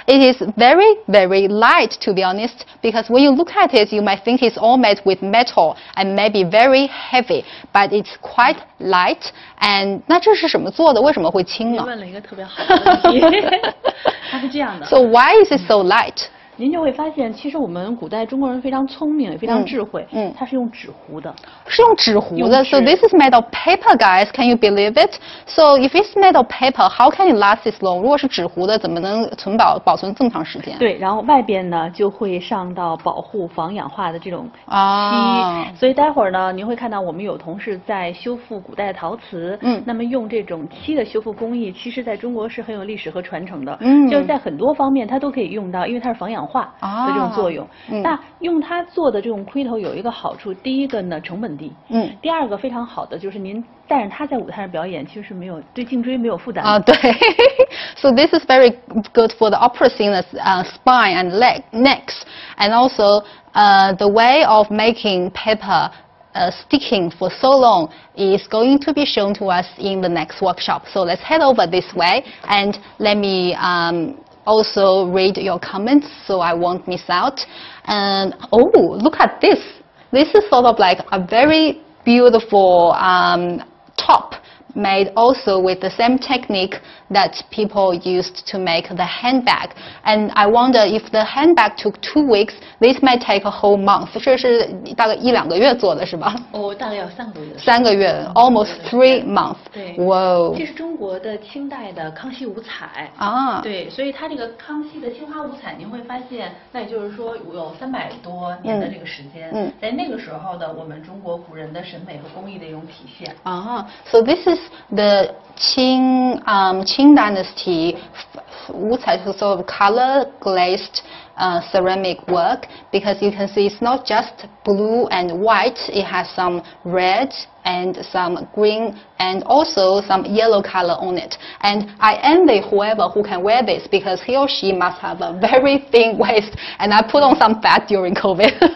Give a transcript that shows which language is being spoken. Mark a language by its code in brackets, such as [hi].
[en] It is very, very light, to be honest, because when you look at it, you might think it's all made with metal and maybe very heavy, but it's quite light. [zh] And 那这是什么做的？为什么会轻呢？您问了一个特别好的问题。它是这样的 [en] So why is it so light? [zh] 您就会发现其实我们古代中国人非常聪明也非常智慧、它是用纸糊的是用纸糊的纸 [en] So this is made of paper guys, can you believe it? So if it's made of paper, how can it last this long? [zh] 如果是纸糊的怎么能存 保存这么长时间对然后外边呢就会上到保护防氧化的这种漆、啊、所以待会儿呢您会看到我们有同事在修复古代陶瓷、那么用这种漆的修复工艺其实在中国是很有历史和传承的、就是在很多方面它都可以用到因为它是防氧化的这种作用、那用它做的这种盔头有一个好处第一个呢成本低、第二个非常好的就是您带着它在舞台上表演其实是没有对颈椎没有负担 [en] 啊对So this is very good for the opera singers spine and necks and also the way of making paper sticking for so long is going to be shown to us in the next workshop so let's head over this way and let me also read your comments so I won't miss out and oh look at this this is sort of like a very beautiful top made also with the same technique that people used to make the handbag and I wonder if the handbag took 2 weeks this might take a whole month [zh] 这是大概一两个月做的是吧哦大概要三个月三个月 [en] almost 3 months [zh] 对 wow 这是中国的清代的康熙五彩啊对所以它这个康熙的青花五彩您会发现那也就是说有300多年的这个时间在那个时候的我们中国古人的审美和工艺的一种体现 [en] 啊 so this is the Qing Qing dynasty 五彩 sort of color glazed ceramic work because you can see it's not just blue and white it has some red and some green and also some yellow color on it and I envy whoever who can wear this because he or she must have a very thin waist and I put on some fat during COVID